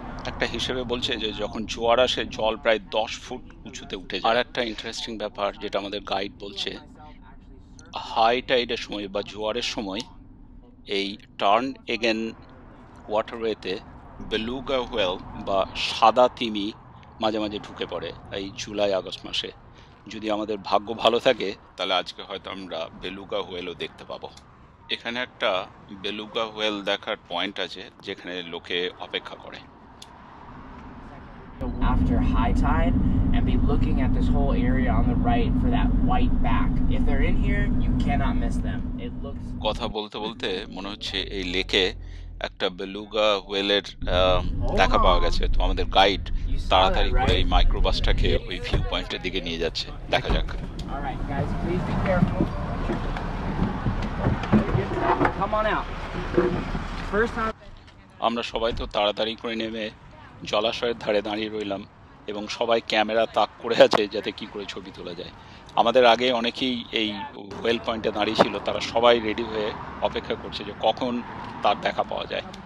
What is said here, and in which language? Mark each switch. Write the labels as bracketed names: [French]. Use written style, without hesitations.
[Bangla] একটা হিসেবে বলছে যে যখন জোয়ার আসে জল প্রায় 10 ফুট উঁচুতে উঠে যায়। আর একটা ইন্টারেস্টিং ব্যাপার যেটা আমাদের গাইড বলছে, হাই টাইডের সময় বা জোয়ারের সময় এই টার্ন এগেন ওয়াটারওয়েতে বেলুগা হোয়েল বা সাদা তিমি মাঝে মাঝে ঢুকে পড়ে এই জুলাই আগস্ট মাসে। যদি আমাদের ভাগ্য ভালো থাকে তাহলে আজকে হয়তো আমরা বেলুগা হোয়েলও দেখতে পাবো। এখানে একটা বেলুগা হোয়েল দেখার পয়েন্ট আছে যেখানে লোকে অপেক্ষা করে। [English] After high tide and be looking at this whole area on the right for that white back. If they're in here, you cannot miss them. It looks [Bangla] কথা বলতে বলতে মনে হচ্ছে এই লেকে একটা বেলুগা হোয়েলের দেখা পাওয়া গেছে। তো আমাদের গাইড তাড়াতাড়ি করে এই মাইক্রোবাসটাকে ওই ভিউ পয়েন্টের দিকে নিয়ে যাচ্ছে। দেখা যাক। [English] All right guys, please be careful. Come on out. First time [Bangla] আমরা সবাই তো তাড়াতাড়ি করে নেমে জলাশয়ের ধারে দাঁড়িয়ে রইলাম, এবং সবাই ক্যামেরা তাক করে আছে যাতে কি করে ছবি তোলা যায়। আমাদের আগে অনেকেই এই ওয়েল পয়েন্টে দাঁড়িয়ে ছিল, তারা সবাই রেডি হয়ে অপেক্ষা করছে যে কখন তার দেখা পাওয়া যায়।